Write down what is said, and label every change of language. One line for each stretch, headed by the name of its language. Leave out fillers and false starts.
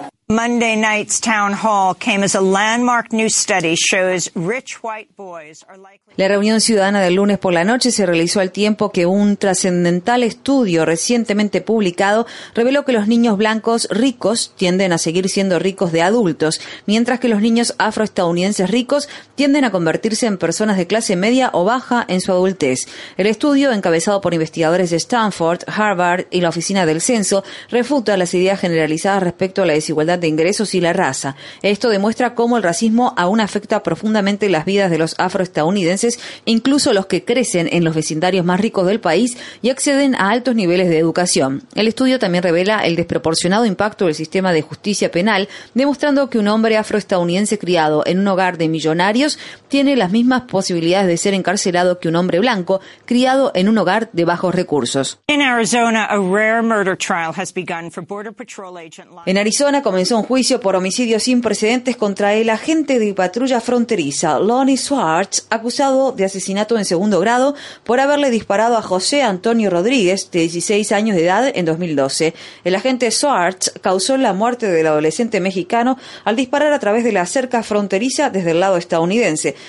English: Monday night's town hall came as a landmark new study shows rich white boys are likely.
Spanish: La reunión ciudadana del lunes por la noche se realizó al tiempo que un trascendental estudio recientemente publicado reveló que los niños blancos ricos tienden a seguir siendo ricos de adultos, mientras que los niños afroestadounidenses ricos tienden a convertirse en personas de clase media o baja en su adultez. El estudio, encabezado por investigadores de Stanford, Harvard y la Oficina del Censo, refuta las ideas generalizadas respecto a la desigualdad de ingresos y la raza. Esto demuestra cómo el racismo aún afecta profundamente las vidas de los afroestadounidenses, incluso los que crecen en los vecindarios más ricos del país y acceden a altos niveles de educación. El estudio también revela el desproporcionado impacto del sistema de justicia penal, demostrando que un hombre afroestadounidense criado en un hogar de millonarios tiene las mismas posibilidades de ser encarcelado que un hombre blanco criado en un hogar de bajos recursos.
English: En Arizona, a rare murder trial has begun for Border Patrol agent.
Spanish: En Arizona comenzó un juicio por homicidio sin precedentes contra el agente de patrulla fronteriza Lonnie Swartz, acusado de asesinato en segundo grado por haberle disparado a José Antonio Rodríguez, de 16 años de edad, en 2012. El agente Swartz causó la muerte del adolescente mexicano al disparar a través de la cerca fronteriza desde el lado estadounidense.